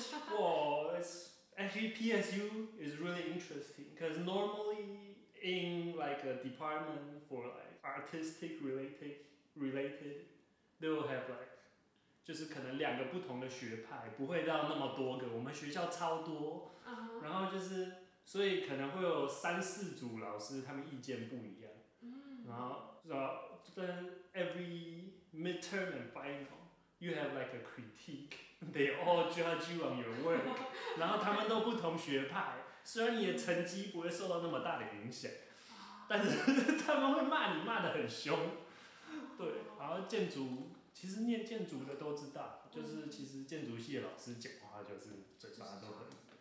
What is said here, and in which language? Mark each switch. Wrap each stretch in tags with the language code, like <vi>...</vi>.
<en>Well, it's actually PSU is really interesting because normally in like a department for like artistic related, they will have like</en> <zh>就是可能两个不同的学派，不会到那么多个。我们学校超多。 Uh-huh. 然后就是，所以可能会有三四组老师，他们意见不一样。然后但</zh> <en>every midterm and final, you have like a critique. They all judge you on your work.</en> <zh>然后他们都不同学派，虽然你的成绩不会受到那么大的影响，但是他们会骂你骂得很凶。对，然后建筑，其实念建筑的都知道，就是其实建筑系的老师讲话就是嘴巴都很。</zh>